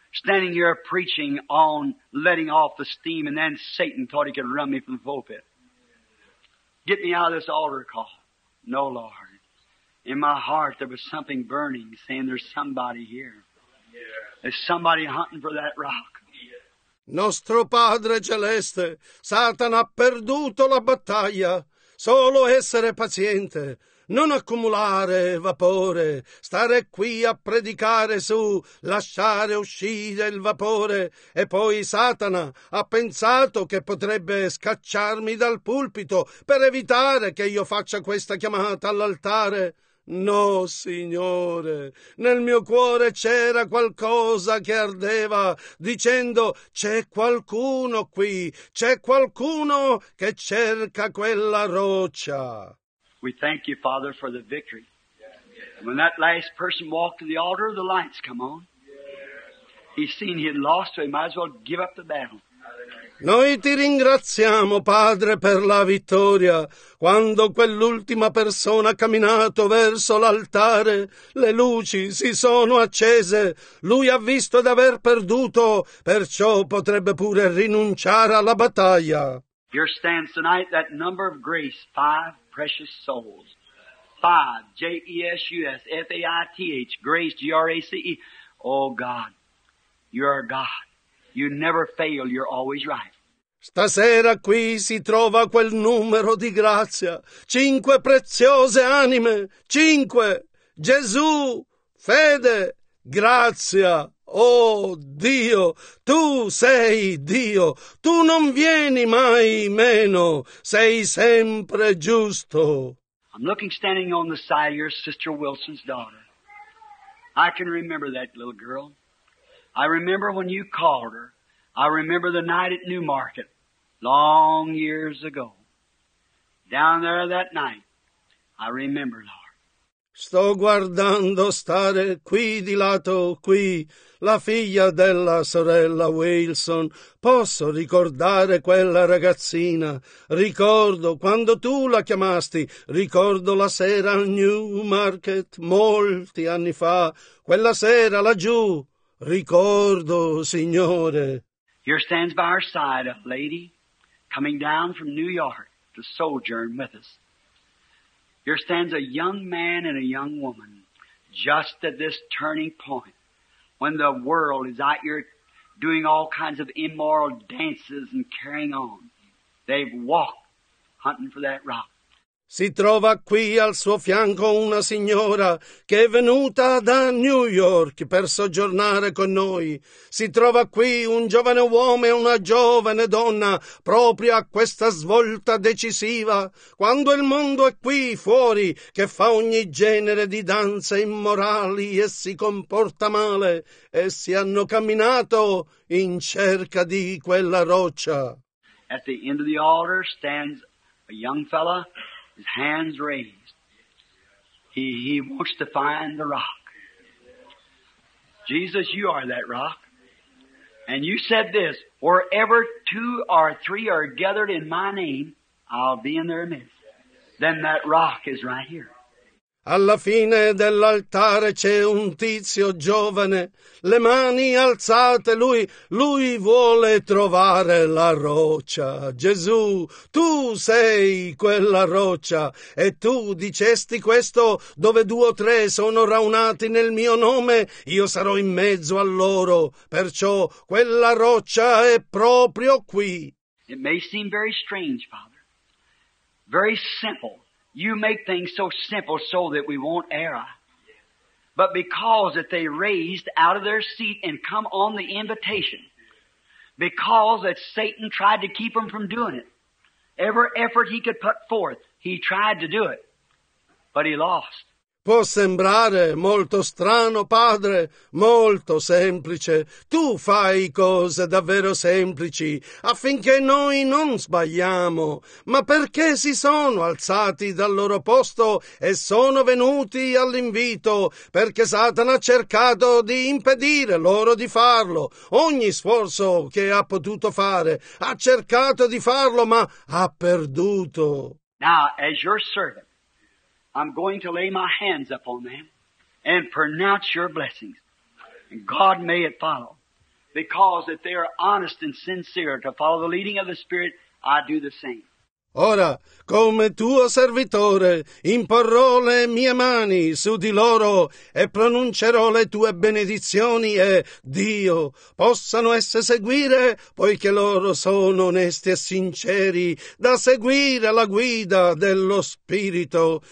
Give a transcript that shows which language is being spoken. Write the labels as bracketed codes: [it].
[en] Standing here preaching on letting off the steam, and then Satan thought he could run me from the pulpit. Get me out of this altar call. No, Lord. In my heart, there was something burning, saying there's somebody here. There's somebody hunting for that rock. [it] Nostro Padre Celeste, Satan ha perduto la battaglia. Solo essere paziente. non accumulare vapore, stare qui a predicare su, lasciare uscire il vapore, e poi Satana ha pensato che potrebbe scacciarmi dal pulpito per evitare che io faccia questa chiamata all'altare. No, Signore, nel mio cuore c'era qualcosa che ardeva, dicendo c'è qualcuno qui, c'è qualcuno che cerca quella roccia. [en] We thank you, Father, for the victory. When that last person walked to the altar, the lights come on. He seen he had lost, so he might as well give up the battle. [it] Noi ti ringraziamo, Padre, per la vittoria. Quando quell'ultima persona ha camminato verso l'altare, le luci si sono accese. Lui ha visto di aver perduto, perciò potrebbe pure rinunciare alla battaglia. [en] Here stands tonight that number of grace, five precious souls. Five, J-E-S-U-S, F-A-I-T-H, grace, G-R-A-C-E. Oh, God, you are God. You never fail, you're always right. [it] Stasera qui si trova quel numero di grazia. Cinque preziose anime. Cinque. Gesù, fede, grazia. Oh Dio, tu sei Dio. Tu non vieni mai meno. Sei sempre giusto. [en] I'm looking standing on the side of your sister Wilson's daughter. I can remember that little girl. I remember when you called her. I remember the night at Newmarket, long years ago. Down there that night, I remember, Lord. [it] Sto guardando stare qui di lato, qui, la figlia della sorella Wilson. Posso ricordare quella ragazzina. Ricordo quando tu la chiamasti. Ricordo la sera al Newmarket, molti anni fa. Quella sera laggiù. Ricordo, Signore. [en] Here stands by our side a lady coming down from New York to sojourn with us. Here stands a young man and a young woman just at this turning point when the world is out here doing all kinds of immoral dances and carrying on. They've walked hunting for that rock. [it] Si trova qui al suo fianco una signora che è venuta da New York per soggiornare con noi. Si trova qui un giovane uomo e una giovane donna proprio a questa svolta decisiva. Quando il mondo è qui fuori che fa ogni genere di danze immorali e si comporta male, essi hanno camminato in cerca di quella roccia. [en] At the end of the altar stands a young fella. His hands raised. He wants to find the rock. Jesus, you are that rock. And you said this, wherever two or three are gathered in my name, I'll be in their midst. Then that rock is right here. [it] Alla fine dell'altare c'è un tizio giovane, le mani alzate, lui vuole trovare la roccia. Gesù, tu sei quella roccia, e tu dicesti questo, dove due o tre sono raunati nel mio nome, io sarò in mezzo a loro, perciò quella roccia è proprio qui. [en] It may seem very strange, Father, very simple. You make things so simple so that we won't err. But because that they raised out of their seat and come on the invitation, because that Satan tried to keep them from doing it, every effort he could put forth, he tried to do it, but he lost. [it] Può sembrare molto strano, Padre, molto semplice. Tu fai cose davvero semplici affinché noi non sbagliamo. Ma perché si sono alzati dal loro posto e sono venuti all'invito? Perché Satana ha cercato di impedire loro di farlo. Ogni sforzo che ha potuto fare ha cercato di farlo, ma ha perduto. [en] Now, as your servant, I'm going to lay my hands upon them and pronounce your blessings. And God may it follow. Because if they are honest and sincere to follow the leading of the Spirit, I do the same. [it] Ora, come tuo servitore, imporrò le mie mani su di loro e pronuncerò le tue benedizioni e, Dio, possano esse seguire, poiché loro sono onesti e sinceri, da seguire la guida dello Spirito.